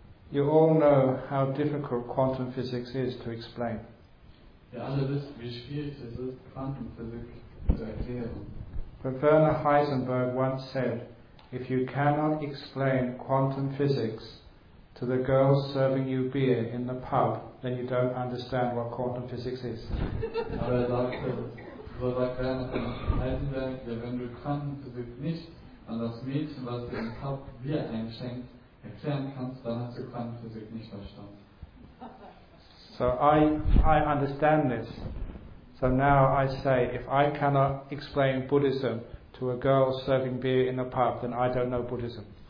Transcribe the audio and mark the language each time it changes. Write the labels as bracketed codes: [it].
[en] You all know how difficult quantum physics is to explain. [de] Wir alle wissen, wie schwierig es ist, Quantenphysik zu erklären. [en] But Werner Heisenberg once said, if you cannot explain quantum physics to the girl serving you beer in the pub, then you don't understand what quantum physics is. [de] Aber er sagte, so sagt Werner Heisenberg, ja, wenn du Quantenphysik nicht an das Mädchen, was dir im Pub Bier einschenkt, erklären kannst, dann hast du Quantenphysik nicht verstanden. [en] So I understand this. So now I say, if I cannot explain Buddhism to a girl serving beer in a pub, then I don't know Buddhism.